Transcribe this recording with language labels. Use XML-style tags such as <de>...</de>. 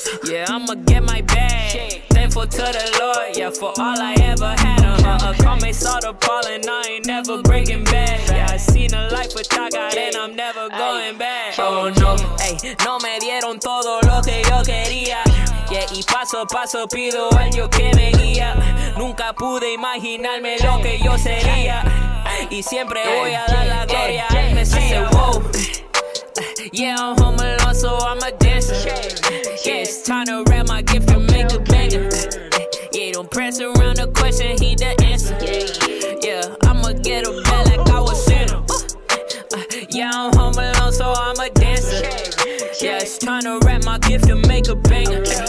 <en>Yeah, I'ma get my bag. Thankful to the Lord, yeah, for all I ever had. Call me saw the ball and I ain't never breaking bad. Yeah, I seen a life with God and I'm never going back.</en> <es>Oh no, ay, no me dieron todo lo que yo quería. Yeah, y paso a paso pido a Dios que me guía. Nunca pude imaginarme lo que yo sería. Y siempre voy a dar la gloria al Mesías.</es> <en>I said, whoa. Yeah, I'm home alone, so I'm a dancer. Yeah, it's time to wrap my gift to make a banger. Yeah, don't press around the question, he the answer. Yeah, I'ma get a bag like I was Santa. Yeah, I'm home alone, so I'm a dancer. Yeah, it's time to wrap my gift to make a banger.</en>